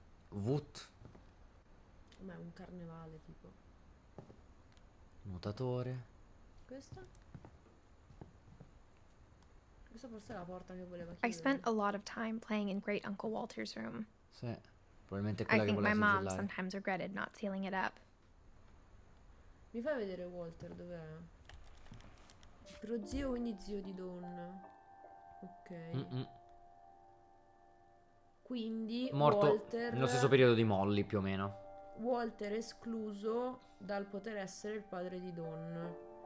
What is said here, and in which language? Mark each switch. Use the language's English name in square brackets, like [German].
[Italian] Wut. Ma è un carnevale, tipo. Nuotatore. Questa forse è la porta che voleva chiudere. [English] I spent a lot of time playing in Great Uncle Walter's room. [Italian] Sì, probabilmente quella [English] I [Italian] che voleva sigillare. [English] I think my mom sometimes regretted not sealing it up. [Italian] Mi fai vedere Walter dov'è? Pro zio, quindi zio di Don. Ok. Mm-mm. Quindi morto Walter nello stesso periodo di Molly, più o meno. Walter escluso dal poter essere il padre di Don.